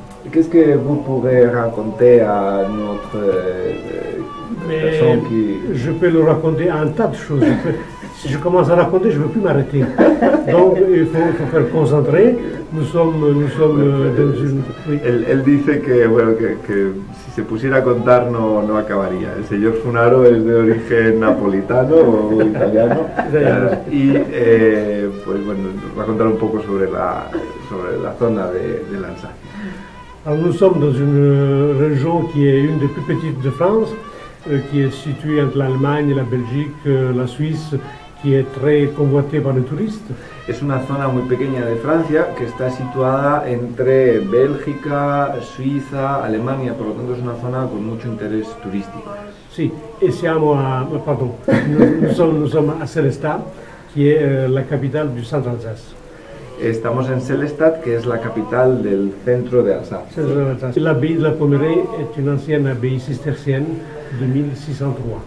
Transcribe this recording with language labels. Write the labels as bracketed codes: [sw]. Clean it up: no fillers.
[es] ¿Qué es [fr] que vous pouvez raconter a notre personne Mais je peux le raconter un tas de choses. Si je commence à raconter, je ne veux plus m'arrêter. Donc, il faut faire concentrer. Nous sommes dans une. Oui. [es] Él dice que, bueno, que si se pusiera a contar no acabaría. El señor Funaro es de origen napolitano o italiano y pues bueno, nos va a contar un poco sobre la zona de Lanzarote. [fr] Alors nous sommes dans une région qui est une des plus petites de France, qui est située entre l'Allemagne, la Belgique, la Suisse, qui est très convoitée par les touristes. [es] Es una zona muy pequeña de Francia que está situada entre Bélgica, Suiza, Alemania, por lo tanto es una zona con mucho interés turístico. [fr] Sí, et [it] siamo [fr] à, pardon, nous sommes à Célestat, qui est la capitale du Centre Alsace. [es] Estamos en Sélestat, que es la capital del centro de Alsacia. [fr] L'abbaye de la Pommeraye est une ancienne abbaye cistercienne de 1603.